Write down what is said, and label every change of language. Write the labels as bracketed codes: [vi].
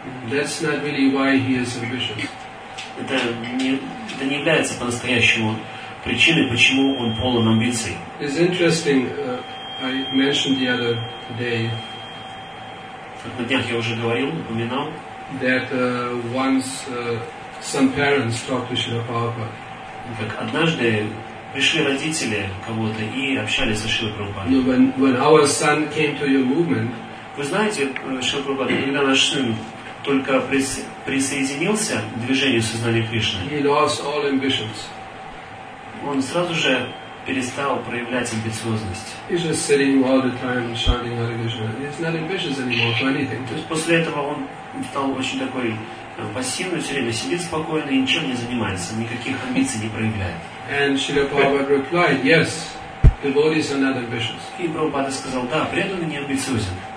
[en] That's not really why he is ambitious. [ru] Это не является по-настоящему причиной, почему он полон амбиций. [en] It's interesting. I mentioned the other day. [ru] Как на днях я уже говорил, упоминал. [en] That once some parents talked to Srila Prabhupada. [ru] Как однажды пришли родители кого-то и общались со Шрилой Прабхупадой. [en] You know, when our son came to your movement. [ru] Вы знаете, Шрила Прабхупада, когда наш сын только присоединился к движению сознания Кришны, [en] he lost all ambitions. [ru] Он сразу же перестал проявлять амбициозность. [en] He's just sitting all the time chanting Hare Krishna. He's not ambitious anymore for anything. [ru] То есть после этого он стал очень такой пассивный, все время сидит спокойно и ничем не занимается, никаких амбиций не проявляет. [en] And Srila Prabhupada replied, yes, devotees are not ambitious. [ru] И Прабхупада сказал, да, преданный не амбициозен.